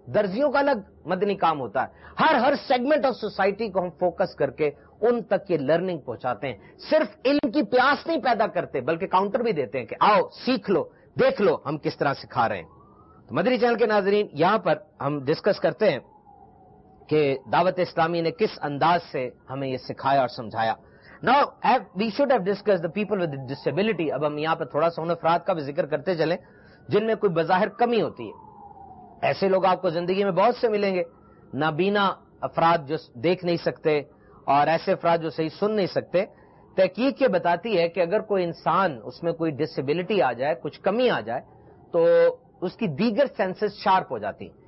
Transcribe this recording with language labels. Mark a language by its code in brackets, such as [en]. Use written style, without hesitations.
[ur] درزیوں کا الگ مدنی کام ہوتا ہے. ہر ہر [en] segment of society [ur] کو ہم فوکس کر کے ان تک یہ لرننگ پہنچاتے ہیں. صرف علم کی پیاس نہیں پیدا کرتے بلکہ کاؤنٹر بھی دیتے ہیں کہ آؤ سیکھ لو، دیکھ لو ہم کس طرح سکھا رہے ہیں. مدری چینل کے ناظرین، یہاں پر ہم ڈسکس کرتے ہیں کہ دعوت اسلامی نے کس انداز سے ہمیں یہ سکھایا اور سمجھایا. [en] Now we should have discuss the people with disability. [ur] اب ہم یہاں پر تھوڑا سا ان افراد کا بھی ذکر کرتے چلیں جن میں کوئی بظاہر کمی ہوتی ہے. ایسے لوگ آپ کو زندگی میں بہت سے ملیں گے، نابینا افراد جو دیکھ نہیں سکتے اور ایسے افراد جو صحیح سن نہیں سکتے. تحقیق یہ بتاتی ہے کہ اگر کوئی انسان اس میں کوئی ڈسیبلٹی آ جائے، کچھ کمی آ جائے، تو اس کی دیگر سینسز شارپ ہو جاتی.